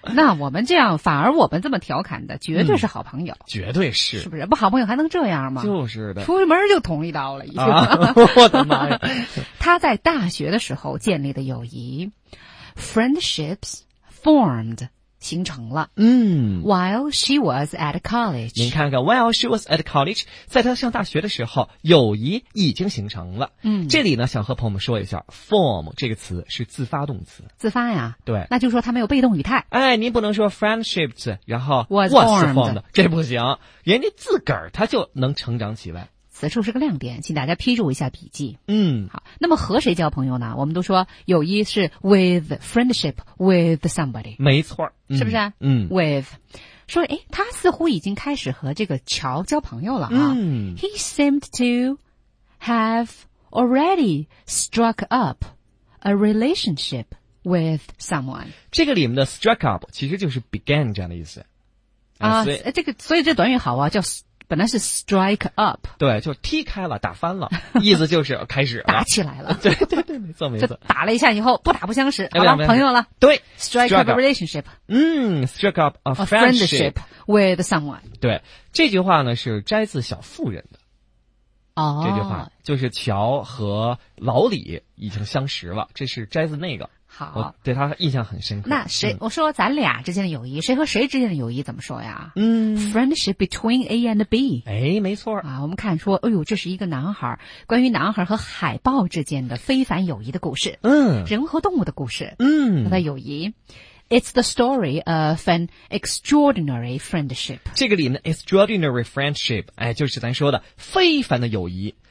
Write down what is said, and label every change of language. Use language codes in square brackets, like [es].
[zh] 那我们这样，反而我们这么调侃的，绝对是好朋友，绝对是，是不是？不好朋友还能这样吗？就是的，出门就捅一刀了，已经、我的妈呀！他在大学的时候建立的友谊 ，friendships formed。形成了。 [en] While she was at college， [zh] 您看看 ， [en] while she was at college， [zh] 在她上大学的时候，友谊已经形成了。这里呢，想和朋友们说一下 ，form 这个词是自发动词。自发呀。对。那就说它没有被动语态。哎，您不能说 friendships， 然后 [en] was formed， [zh] 这不行。人家自个儿他就能成长起来。此处是个亮点，请大家批注一下笔记。好，那么和谁交朋友呢？我们都说友谊是 [en] with friendship with somebody， [zh] 没错，是不是？ [en] With， [zh] 说诶，他似乎已经开始和这个乔交朋友了啊。 [en] He seemed to have already struck up a relationship with someone。 [zh] 这个里面的 struck up 其实就是 began 这样的意思啊。这个，所以这短语好啊，叫。本来是 strike up，对，就踢开了，打翻了，意思就是开始打起来了。对对对，没错没错。打了一下以后，不打不相识，好了，朋友了。对 [en] ，strike up a relationship。 Strike up a friendship with someone。 [zh] 对，这句话呢是摘自《小妇人》的。哦，这句话就是乔和老李已经相识了，这是摘自那个。好，我对他印象很深刻。那谁，我说咱俩之间的友谊，谁和谁之间的友谊怎么说呀？ [en] Friendship between A and B。 [zh] 哎，没错啊。我们看说，哎呦，这是一个男孩，关于男孩和海豹之间的非凡友谊的故事。人和动物的故事。他的友谊 [en] ，It's the story of an extraordinary friendship。 [zh] 这个里面 extraordinary friendship， 哎，就是咱说的非凡的友谊。